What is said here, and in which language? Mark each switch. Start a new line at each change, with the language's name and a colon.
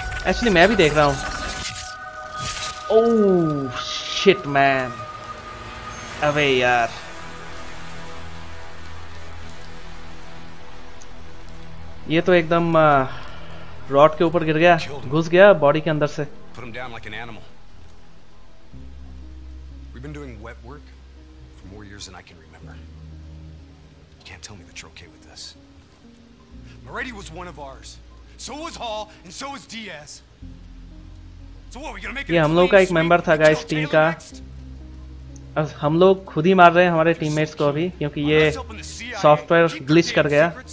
Hindi: Actually मैं भी देख रहा हूँ.
English: oh shit man,
Hindi: अबे यार. ये तो एकदम रॉड के ऊपर गिर गया, घुस गया बॉडी के अंदर से.
English: Put him down like an animal. We've been doing wet work for more years than I can remember. You can't tell me that you're okay with this. Moretti was one of ours. So was Hall and so was Diaz. So what, we're gonna make it?
Hindi: Yeah, हम लोग का एक member था guys team का. अब हम लोग खुद ही मार रहे हैं हमारे टीममेट्स को अभी, क्योंकि ये सॉफ्टवेयर ग्लिच कर गया.